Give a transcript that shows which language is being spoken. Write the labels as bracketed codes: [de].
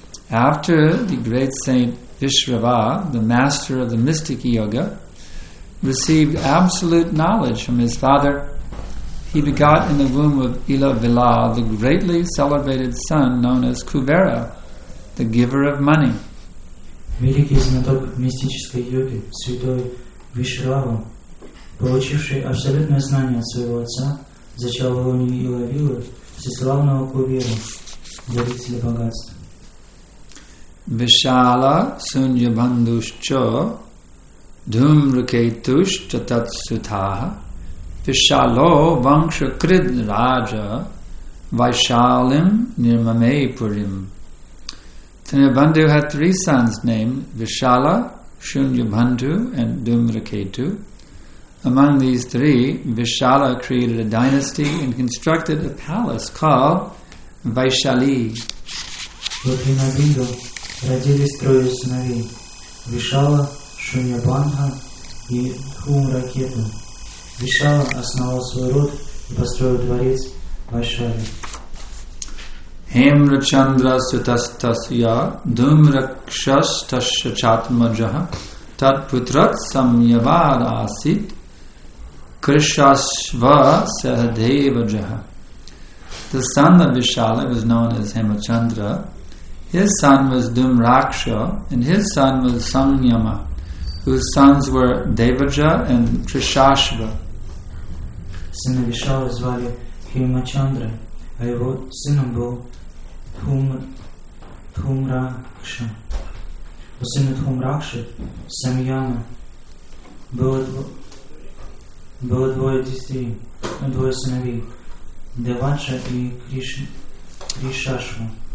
[en] After the great saint Vishrava, the master of the mystic yoga, received absolute knowledge from his father, he begot in the womb of Ila Vila the greatly celebrated son known as Kuvera, the giver of money. [ru] Великий знаток мистической йоги, святой Вишрава, получивший абсолютное знание от своего отца, зачал в уме Ила Вилы всеславного Кувера, дарителя богатства. [sa] Vishala sunyabandhuscho dhumruketuscha tatsutaha Vishalo vangsha krid raja Vaishalim nirmame purim. [en] Trinabindu had three sons named Vishala, Sunyabandhu, and Dhumruketu. Among these three, Vishala created a dynasty and constructed a palace called Vaishali. [ru] Родились трое сыновей – Вишала, Шуньябанха и Хумракету. Вишала основал свой род и построил дворец Вайшали. [sa] Хемрачандра сутастасья думракшастасчатмаджаха татпутрат самьявар асит кришасва сахадеваджаха. [en] The son of Vishala was known as Hemrachandra. His son was Dumraksha, and his son was Samyama, whose sons were Devaja and Trishashva. [ru] Сына Вишалы звали Хемачандра, а его сыном был Дхумракша. У сына Дхумракши, Самьяма, было двое детей, двое сыновей, Девача и Кришашва.